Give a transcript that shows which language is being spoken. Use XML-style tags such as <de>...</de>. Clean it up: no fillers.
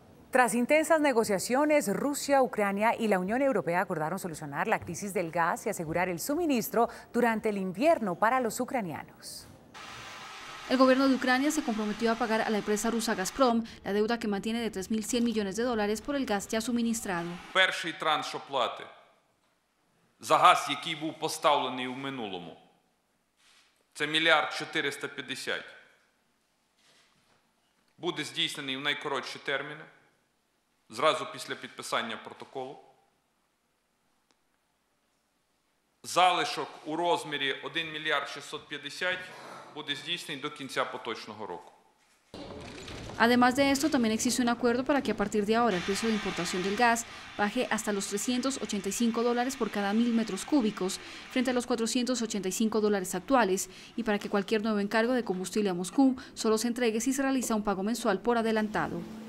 <es>Tras intensas negociaciones, Rusia, Ucrania y la Unión Europea acordaron solucionar la crisis del gas y asegurar el suministro durante el invierno para los ucranianos. El gobierno de Ucrania se comprometió a pagar a la empresa rusa Gazprom la deuda que mantiene de 3.100 millones de dólares por el gas ya suministrado.</es> <uk>Перший транш оплати за газ, який був поставлений у минулому. Це 1,450 мільярда. Буде здійснений в найкоротші терміни, зразу після підписання протоколу. Залишок у розмірі 1,650 мільярда. Буде здійснений до кінця поточного року.</uk> <es>Además de esto, también existe un acuerdo para que a partir de ahora el precio de importación del gas baje hasta los $385 por cada 1,000 metros cúbicos, frente a los $485 actuales, y para que cualquier nuevo encargo de combustible a Moscú solo se entregue si se realiza un pago mensual por adelantado.</es>